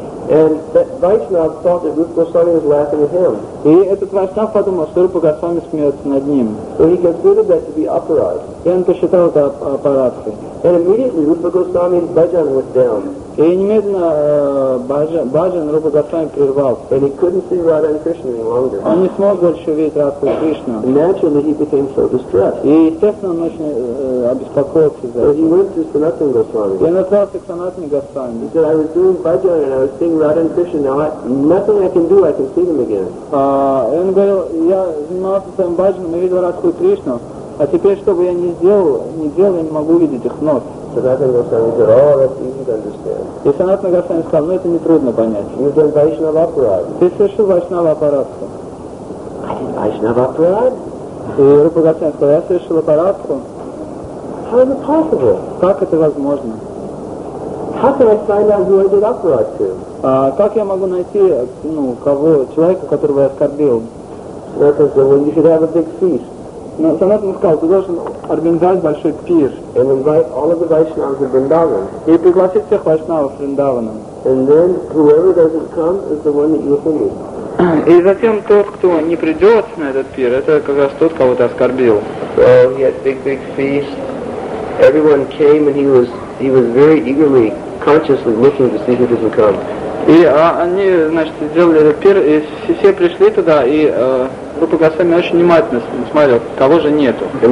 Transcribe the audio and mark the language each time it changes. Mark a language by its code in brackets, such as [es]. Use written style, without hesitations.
[en] And that Vaishnav thought that Rupa Goswami was laughing at him. [ru] И этот Вайшнав подумал, что Рупа Госвами смеется над ним. [en] So he considered that to be aparad. [ru] И он посчитал это аппаратхой. [en] And immediately Rupa Goswami's bhajan went down. [ru] И немедленно бхаджан Рупа Госвами прервался. [en] And he couldn't see Radha and Krishna any longer. [ru] Он не смог больше увидеть Радху и Кришну. [en] Naturally he became so distressed. [ru] И естественно он очень обеспокоился за это. [en] So he went to Sanatana Goswami. [ru] И он отправился к Sanatana Goswami. [en] He said, I was doing bhajan and I was seeing Radha and Krishna. Now nothing I can do, I can see them again. [ru] И он говорил, я занимался своим бхаджаном и видел Радху и Кришну. А теперь, что бы я ни делал, я не могу видеть их ног. [en] Sanatana Goswami said, oh, that's easy to understand. [ru] И Sanatana Goswami сказал, это нетрудно понять. [en] You've done Vaishnava aparad. [ru] Ты совершил Vaishnava aparad. [en] I did Vaishnava aparad? [ru] И Рупа Госвами сказал, я совершил aparad. [en] How is it possible? [ru] Как это возможно? [en] How can I find out who I did aparad to? [ru] Как я могу найти человека, которого я оскорбил? [en] you should have a big feast. [ru] Но Санат сказал, ты должен организовать большой пир. [en] And invite all of the Vaishnavas of Vrindavan. [ru] И пригласить всех Вайшнавов в Вриндаван. [en] And then whoever doesn't come is the one that you offended. [ru] И затем тот, кто не придет на этот пир, это как раз тот, кого ты оскорбил. [en] So he had big feast. Everyone came and he was very eagerly, consciously looking to see who doesn't come. [ru] И они, значит, сделали этот пир, и все пришли туда, и Рупа Госвами очень внимательно смотрел, кого же нету.